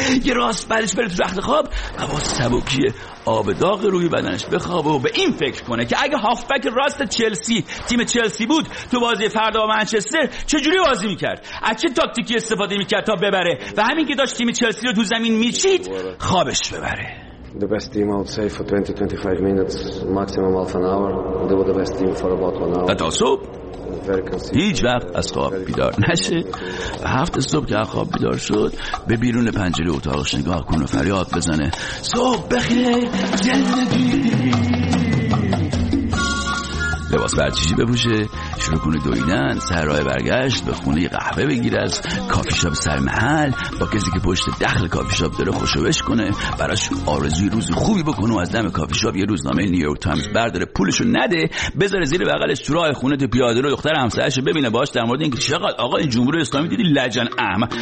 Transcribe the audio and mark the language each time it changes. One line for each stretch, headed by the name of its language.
Persian: یه راست برش بره تو رخت خواب و با سبکی آب داغ روی بدنش بخوابه و به این فکر کنه که اگه هافبک راست چلسی تیم چلسی بود تو بازی فردا با منچستر چجوری بازی میکرد، از چه تاکتیکی استفاده میکرد تا ببره، و همین که داشت تیم چلسی رو تو زمین میچید خوابش ببره.
English: The best team I would say for 20-25 minutes, maximum half an hour. They were the best team for about one hour.
Persian: تا صبح هیچ وقت از خواب بیدار نشه. هفت صبح که از خواب بیدار شد به بیرون پنجره اتاقش نگاه کن و فریاد بزنه صبح بخیر زندگی. لباس برچیشی بپوشه، شروع کنه دویدن، سر راه برگشت به خونه قهوه بگیر از کافی شاپ سر محل، با کسی که پشت دخل کافی شاپ داره خوشوبش کنه، براش آرزوی روز خوبی بکنه و از دم کافی شاپ یه روزنامه نیویورک تایمز برداره پولشو نده بذاره زیر بغلش تو راه خونه تو پیاده رو دختر همسرش ببینه باش در مورد اینکه چقدر آقا این جمهوری اسلامی دیدی لجن اهم